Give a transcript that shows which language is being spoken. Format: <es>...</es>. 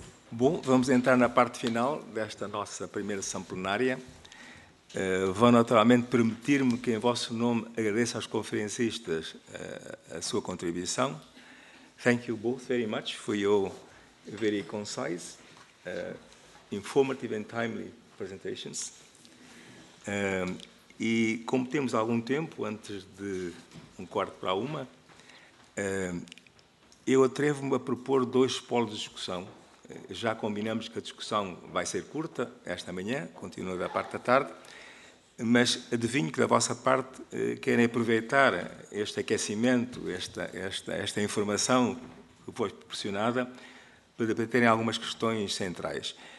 <pt>Bom, vamos entrar na parte final desta nossa primeira sessão plenária. Vão naturalmente permitir-me que, em vosso nome, agradeça aos conferencistas a sua contribuição.</pt> <en>Thank you both very much for your very concise, informative and timely presentations.</en> <pt>E como temos algum tempo, antes de um quarto para uma, eu atrevo-me a propor dois polos de discussão. Já combinamos que a discussão vai ser curta esta manhã, continua da parte da tarde, mas adivinho que da vossa parte querem aproveitar este aquecimento, esta informação que foi proporcionada para terem algumas questões centrais.</pt>